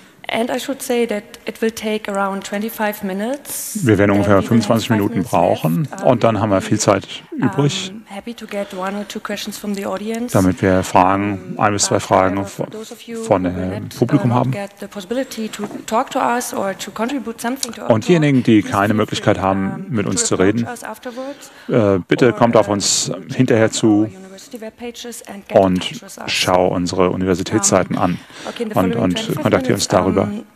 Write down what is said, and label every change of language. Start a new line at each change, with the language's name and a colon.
English: And I should say that it will take around 25 minutes.
German: Wir werden ungefähr 25 Minuten brauchen und dann haben wir viel Zeit übrig.
English: Happy to get one or two questions from the audience.
German: Damit wir Fragen, ein bis zwei Fragen von dem Publikum haben. Und diejenigen, die keine Möglichkeit haben, mit uns zu reden, bitte kommt auf uns hinterher zu und schau unsere Universitätsseiten an und kontaktiere uns darüber.